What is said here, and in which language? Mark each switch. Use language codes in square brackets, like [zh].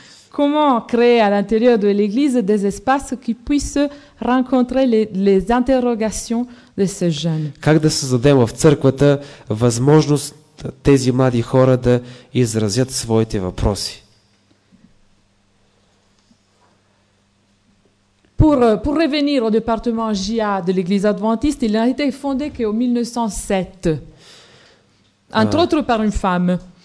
[fr] Comment créer à l'intérieur de l'église des espaces qui puissent rencontrer les interrogations de ces jeunes? [bg] Как да създадем в църквата възможност тези млади хора да изразят своите въпроси? [fr] Pour revenir au département JA de l'église adventiste, il a été fondé qu'en 1907. Entre autres par une femme.